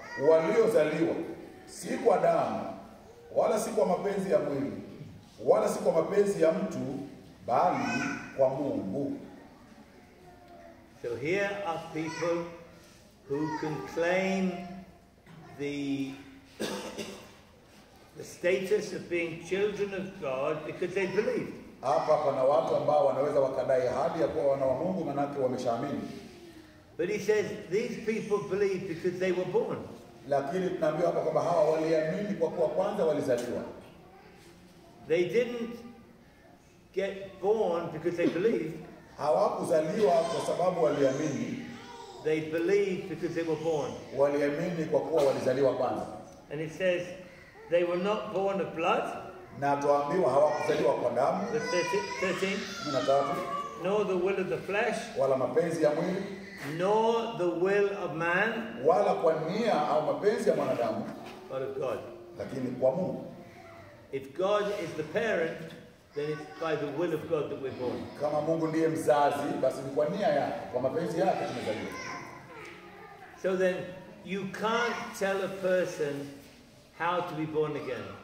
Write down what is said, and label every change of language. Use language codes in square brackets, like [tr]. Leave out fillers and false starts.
[sw] Waliozaliwa si kwa damu wala si kwa mapenzi ya mwili wala si kwa mapenzi ya mtu, bali kwa Mungu. [en] So here are people who can claim the status of being children of God because they believe. [sw] Hapa kuna watu ambao wanaweza wakadai hadi ya kuwa wana wa Mungu manake wameshaamini. [en] But he says these people believe because they were born. [sw] Lakini tunaambiwa hapa kwamba hawa waliamini kwa kuwa kwanza walizaliwa. [en] They didn't get born because they believed. [sw] Hawakuzaliwa kwa sababu waliamini. [en] They believed because they were born. [sw] Waliamini kwa kuwa walizaliwa kwanza. [en] And it says they were not born of blood. [sw] Na tuambiwa hawakuzaliwa kwa damu. [en] Verse 13. Nor the will of the flesh. [sw] Wala mapenzi ya mwili. [en] Nor the will of man. [sw] Wala kwa nia au mapenzi ya mwanadamu. [en] But of God. [sw] Lakini kwa Mungu. [en] If God is the parent, then it's by the will of God that we're born. [sw] Kama Mungu ndiye mzazi, basi ni kwa nia yake, kwa mapenzi yake tumezaliwa. [en] So then, you can't tell a person how to be born again.